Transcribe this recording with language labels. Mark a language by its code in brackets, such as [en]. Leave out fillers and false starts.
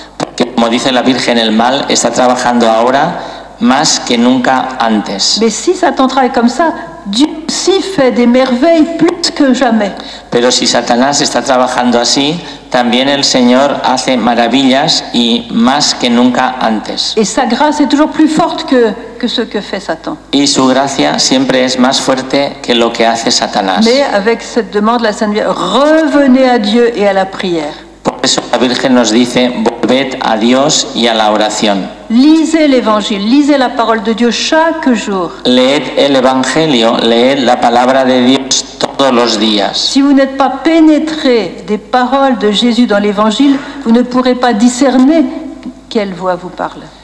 [es] Porque, como dice la Virgen, el mal está trabajando ahora más que nunca antes. [fr] Mais si Satan travaille comme ça, Dieu aussi fait des merveilles plus que jamais. [es] Pero si Satanás está trabajando así, también el Señor hace maravillas y más que nunca antes. [fr] Et sa grâce est toujours plus forte que ce que fait Satan. [es] Y su gracia siempre es más fuerte que lo que hace Satanás. [fr] Mais avec cette demande, la Sainte Vierge, revenez à Dieu et à la prière. [es] Por eso la Virgen nos dice, volved a Dios y a la oración. [fr] Lisez l'Évangile, lisez la parole de Dieu chaque jour. [es] Leed el Evangelio, leed la palabra de Dios todos los días. [fr] Si vous n'êtes pas pénétré des paroles de Jésus dans l'Évangile, vous ne pourrez pas discerner quelle voix vous parle.